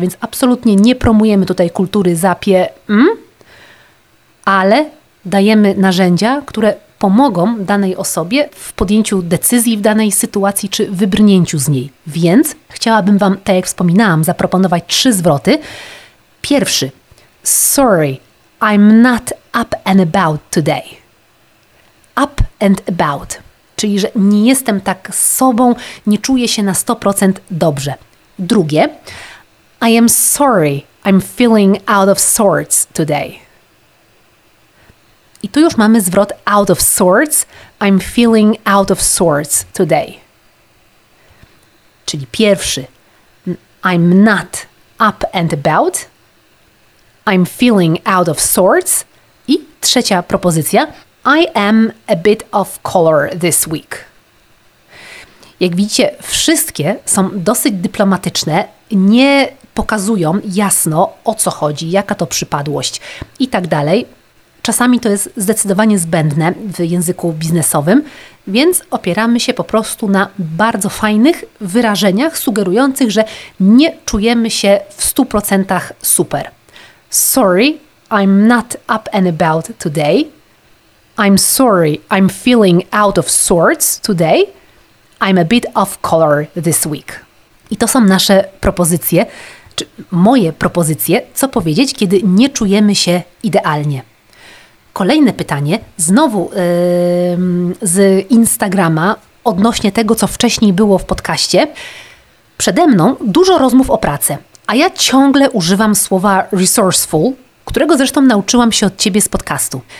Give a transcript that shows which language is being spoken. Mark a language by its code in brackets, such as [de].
[pl] Więc absolutnie nie promujemy tutaj kultury zapie, ale dajemy narzędzia, które pomogą danej osobie w podjęciu decyzji w danej sytuacji czy wybrnięciu z niej. Więc chciałabym Wam, tak jak wspominałam, zaproponować trzy zwroty. Pierwszy: [en] sorry, I'm not up and about today. Up and about. [pl] Czyli, że nie jestem tak sobą, nie czuję się na 100% dobrze. Drugie: [en] I am sorry, I'm feeling out of sorts today. [pl] I tu już mamy zwrot [en] out of sorts, I'm feeling out of sorts today. [pl] Czyli pierwszy, [en] I'm not up and about, I'm feeling out of sorts. [pl] I trzecia propozycja, [en] I am a bit off color this week. [pl] Jak widzicie, wszystkie są dosyć dyplomatyczne, nie pokazują jasno, o co chodzi, jaka to przypadłość i tak dalej. Czasami to jest zdecydowanie zbędne w języku biznesowym, więc opieramy się po prostu na bardzo fajnych wyrażeniach sugerujących, że nie czujemy się w 100% super. [en] Sorry, I'm not up and about today. I'm sorry, I'm feeling out of sorts today. I'm a bit off color this week. [pl] I to są nasze propozycje, czy moje propozycje, co powiedzieć, kiedy nie czujemy się idealnie. Kolejne pytanie, znowu z Instagrama, odnośnie tego, co wcześniej było w podcaście. Przede mną dużo rozmów o pracę, a ja ciągle używam słowa resourceful, którego zresztą nauczyłam się od Ciebie z podcastu.